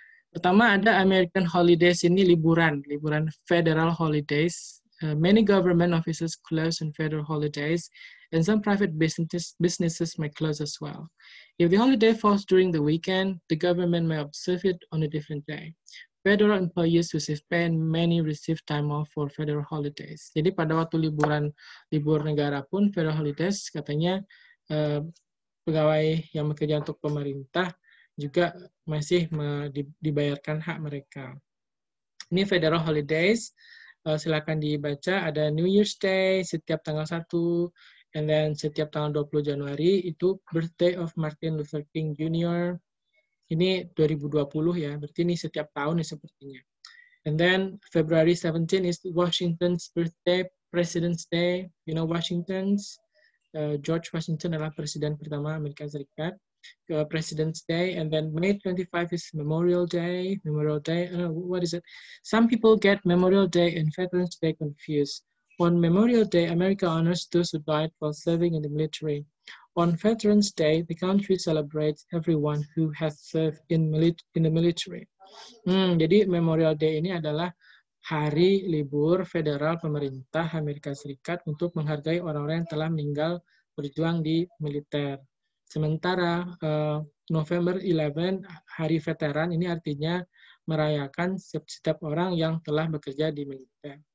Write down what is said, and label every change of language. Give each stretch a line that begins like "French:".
Indonesian: Pertama ada American holidays, ini liburan, liburan federal holidays.
English: Many government offices close on federal holidays, and some private businesses may close as well. If the holiday falls during the weekend, the government may observe it on a different day. Federal employees who suspend many receive time off for federal holidays.
Indonesian: Jadi pada waktu liburan libur negara pun federal holidays katanya pegawai yang bekerja untuk pemerintah juga masih dibayarkan hak mereka. Ini federal holidays, silakan dibaca, ada New Year's Day setiap tanggal 1
English: and then
Indonesian: setiap tanggal 20 Januari itu
English: birthday of
Indonesian: Martin Luther King Jr. Ini 2020 ya, berarti ini setiap tahun ya sepertinya.
English: And then February 17 is Washington's birthday, President's Day. You know Washington's,
Indonesian: George Washington adalah presiden pertama Amerika Serikat.
English: President's Day, and then May 25 is Memorial Day. Memorial Day, what is it? Some people get Memorial Day and Veterans Day confused. On Memorial Day, America honors those who died while serving in the military. On Veterans Day, the country celebrates everyone who has served in the military.
Indonesian: Jadi Memorial Day ini adalah hari libur federal pemerintah Amerika Serikat untuk menghargai orang-orang yang telah meninggal berjuang di militer. Sementara November 11 hari veteran ini artinya merayakan setiap orang yang telah bekerja di militer.